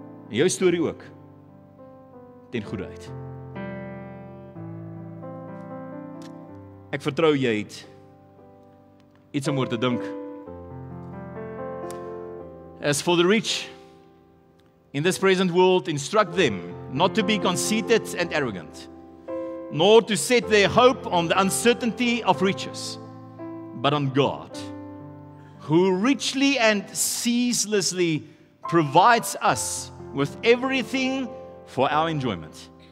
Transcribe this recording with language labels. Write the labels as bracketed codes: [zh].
[af] En jou story ook, ten goede uit. Ek vertrou jy het iets om oor te dink. [en] As for the rich, in this present world, instruct them not to be conceited and arrogant, nor to set their hope on the uncertainty of riches, but on God, who richly and ceaselessly provides us with everything for our enjoyment.